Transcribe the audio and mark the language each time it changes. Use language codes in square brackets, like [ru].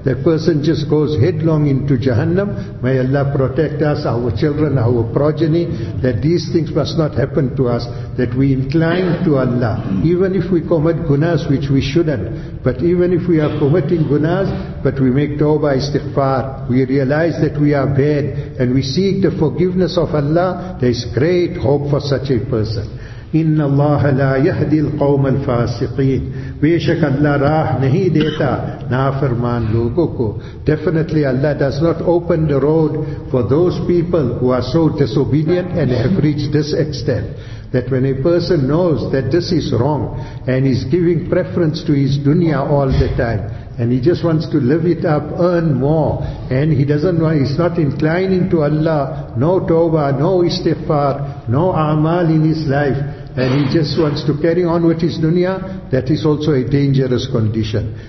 [en] That person just goes headlong into Jahannam. May Allah protect us, our children, our progeny, that these things must not happen to us, that we incline to Allah. Even if we commit gunas, which we shouldn't, but even if we are committing gunas, but we make tawbah istighfar, we realize that we are bad, and we seek the forgiveness of Allah, there is great hope for such a person. [ar] إِنَّ اللَّهَ لَا يَهْدِي الْقَوْمَ الْفَاسِقِينَ. [ur] بے شک اللہ راہ نہیں دیتا نافرمان لوگوں کو. [en] Definitely Allah does not open the road for those people who are so disobedient and have reached this extent. That when a person knows that this is wrong and is giving preference to his dunya all the time, and he just wants to live it up, earn more, and he doesn't want, he's not inclining to Allah, no tawbah, no istighfar, no amal in his life, and he just wants to carry on with his dunya, that is also a dangerous condition.